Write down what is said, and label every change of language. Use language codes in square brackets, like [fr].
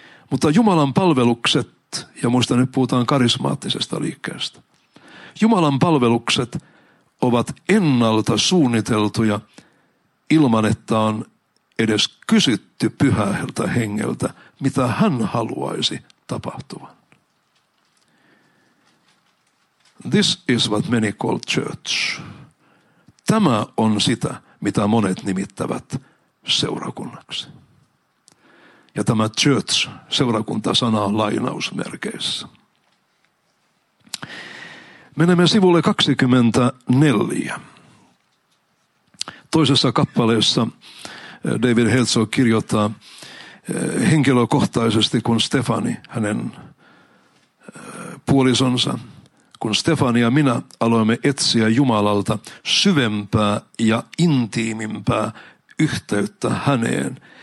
[fi] Mutta jumalanpalvelukset, ja muista nyt puhutaan karismaattisesta liikkeestä, jumalanpalvelukset ovat ennalta suunniteltuja, ilman että on edes kysytty pyhältä hengeltä, mitä hän haluaisi tapahtuvan. [en] This is what many call church. [fi] Tämä on sitä, mitä monet nimittävät seurakunnaksi. Ja tämä church, seurakuntasana on lainausmerkeissä. Menemme sivulle 24. Toisessa kappaleessa David Herzog kirjoittaa henkilökohtaisesti, kun Stefani, hänen puolisonsa, kun Stefani ja minä aloimme etsiä Jumalalta syvempää ja intiimimpää yhteyttä häneen.